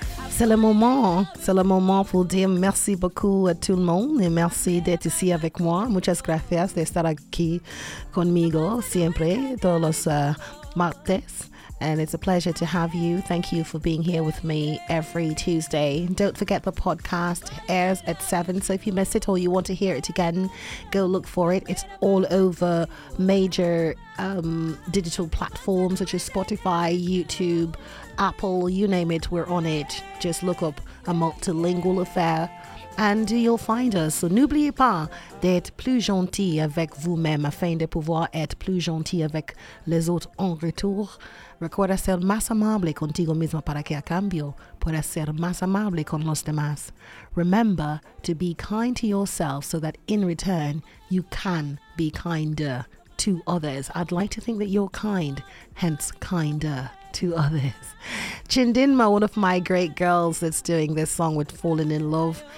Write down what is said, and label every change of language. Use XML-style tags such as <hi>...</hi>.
<fr>C'est le moment pour dire merci beaucoup à tout le monde et merci d'être ici avec moi.</fr> <es>Muchas gracias de estar aquí conmigo siempre, todos los Martes,</es> <en>and it's a pleasure to have you. Thank you for being here with me every Tuesday. Don't forget the podcast airs at 7, so if you miss it or you want to hear it again, go look for it. It's all over major digital platforms such as Spotify, YouTube, Apple, you name it, we're on it. Just look up A Multilingual Affair and you'll find us.</en> <fr>So n'oubliez pas d'être plus gentil avec vous-même afin de pouvoir être plus gentil avec les autres en retour.</fr> <es>Recuerda ser más amable contigo mismo para que a cambio puedas ser más amable con los demás.</es> <en>Remember to be kind to yourself so that in return you can be kinder to others. I'd like to think that you're kind, hence kinder to others. Chindinma, one of my great girls that's doing this song with Falling in Love.</en>